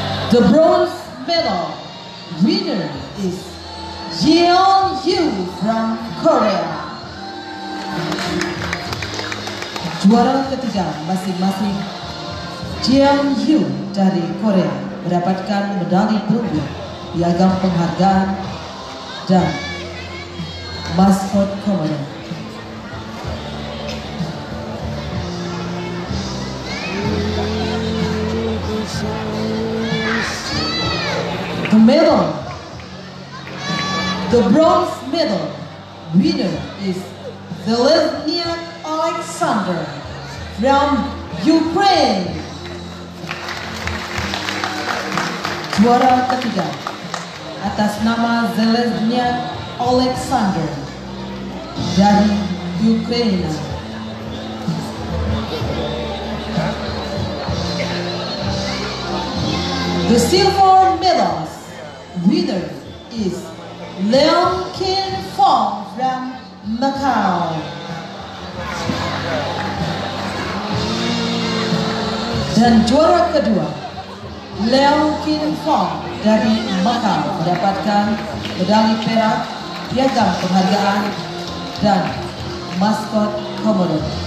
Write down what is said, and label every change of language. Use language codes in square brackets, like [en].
[en] The bronze medal winner is Jeon Hyun from Korea. [id] Juara ketiga masing-masing Jiang Yu dari Korea mendapatkan medali perunggu piagam penghargaan dan maskot komando. [en] The medal, the bronze medal winner is the Lesnia Alexander from Ukraine. [id] Juara ketiga atas nama Zelenia Alexander dari Ukraina. [en] The silver medals winner is Leon Kim Fong from Macau. [id] Dan juara kedua, Leo Kin Fong dari Macau mendapatkan medali perak, piagam penghargaan, dan maskot komodo.